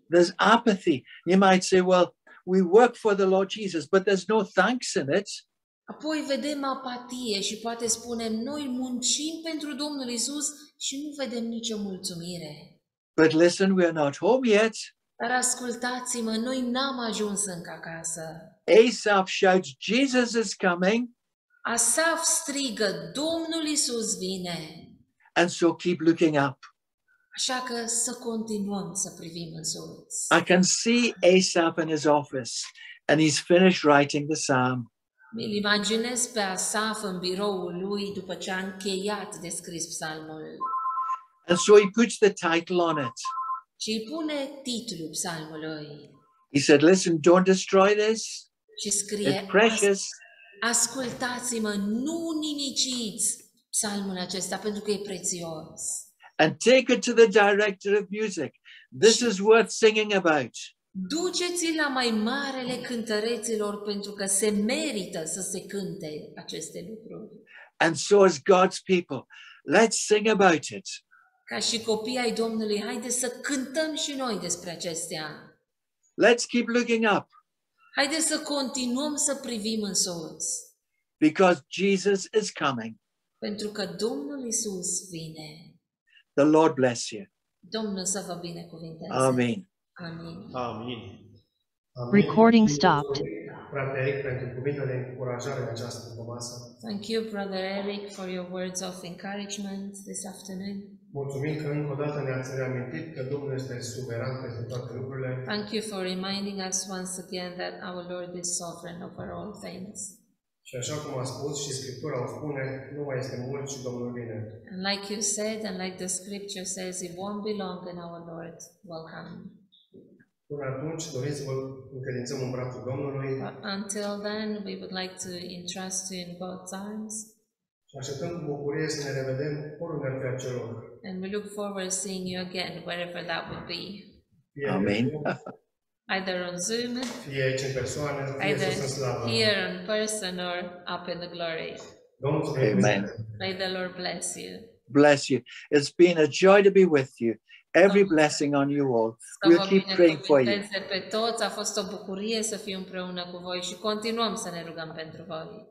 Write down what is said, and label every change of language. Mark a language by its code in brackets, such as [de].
[en] There's apathy. You might say, well, we work for the Lord Jesus, but there's no thanks in it. [ro] Apoi vedem apatie și poate spunem, noi muncim pentru Domnul Iisus și nu vedem nicio mulțumire. [en] But listen, we are not home yet. [ro] Dar ascultați-mă, noi n-am ajuns încă acasă. [en] Asaf shouts, Jesus is coming. [ro] Asaf strigă, Domnul Iisus vine. [en] And so keep looking up. [ro] Așa că să continuăm să privim în sus. [en] I can see Asaf in his office and he's finished writing the psalm. [ro] Mi-l imaginez pe Asaf în biroul lui după ce a încheiat de scris psalmul. [en] And so he puts the title on it. [ro] Și pune titlul psalmului. [en] He said, listen, don't destroy this. [ro] Și scrie, [en] it's precious. [ro] Ascultați-mă, nu nimiciți psalmul acesta, pentru că e prețios. [en] And take it to the director of music. This is worth singing about. [ro] Duceți-l la mai marele cântăreților, pentru că se merită să se cânte aceste lucruri. [en] And so is God's people. Let's sing about it. [ro] Ca și copii ai Domnului, haideți să cântăm și noi despre acestea. [en] Let's keep looking up. [ro] Haideți să continuăm să privim în sus. [en] Because Jesus is coming. [ro] Pentru că Domnul Iisus vine. [en] The Lord bless you. [ro] Domnul să vă binecuvinteze. Amin. Amin. Amin. [en] Recording stopped. [ro] Frate Eric, pentru cuvintele încurajare această dimineață. [en] Thank you, Brother Eric, for your words of encouragement this afternoon. [ro] Mulțumim că încă o dată ne-ați reamintit că Domnul este suveran peste toate lucrurile. [en] Thank you for reminding us once again that our Lord is sovereign over all things. [ro] Și așa cum a spus și Scriptura o spune, nu mai este mult și Domnul vine. [en] And like you said, and like the Scripture says, it won't be long and our Lord will come. [ro] Până atunci, dorim să vă încredințăm în brațul Domnului. [en] But until then, we would like to entrust you in God's arms. [ro] Și așteptăm cu bucurie să ne revedem oriunde ar fi acel loc. [en] And we look forward to seeing you again, wherever that would be. Amen. Either on Zoom, [ro] fie aici în persoană, fie [en] either [ro] sus în slavă. [en] Here in person or up in the glory. Amen. May the Lord bless you. Bless you. It's been a joy to be with you. Every blessing on you all. We'll keep praying for you. [ro] Pe toți, a fost o bucurie să fiu împreună cu voi și continuăm să ne rugăm pentru voi.